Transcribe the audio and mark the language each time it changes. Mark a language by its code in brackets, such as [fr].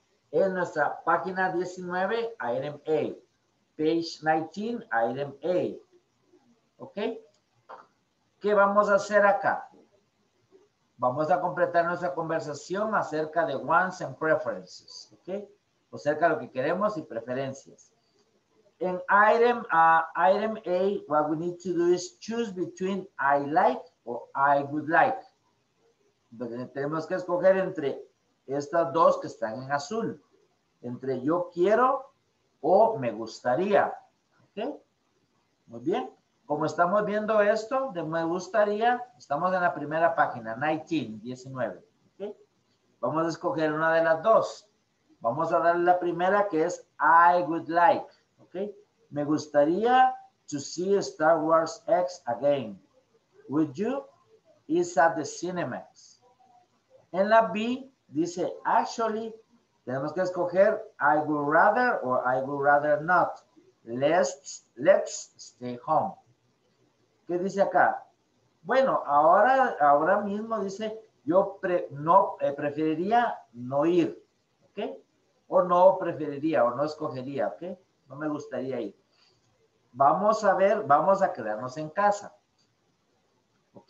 [es] Es nuestra página 19, item A. [en] Page 19, item A. [es] Ok. ¿Qué vamos a hacer acá? Vamos a completar nuestra conversación acerca de [en] wants and preferences. [es] Ok. O acerca de lo que queremos y preferencias. [en] En item A, what we need to do is choose between I like or I would like. [es] Tenemos que escoger entre estas dos que están en azul. Entre yo quiero o me gustaría. ¿Ok? Muy bien. Como estamos viendo esto de me gustaría, estamos en la primera página, 19. ¿Okay? Vamos a escoger una de las dos. Vamos a darle la primera que es [en] I would like. [es] ¿Ok? Me gustaría [en] to see Star Wars X again. Would you? It's at the Cinemax. [es] En la B dice, actually, tenemos que escoger [en] I would rather or I would rather not. Let's stay home. [es] ¿Qué dice acá? Bueno, ahora mismo dice, yo preferiría no ir. ¿Ok? O no preferiría o no escogería. ¿Ok? No me gustaría ir. Vamos a ver, vamos a quedarnos en casa. ¿Ok?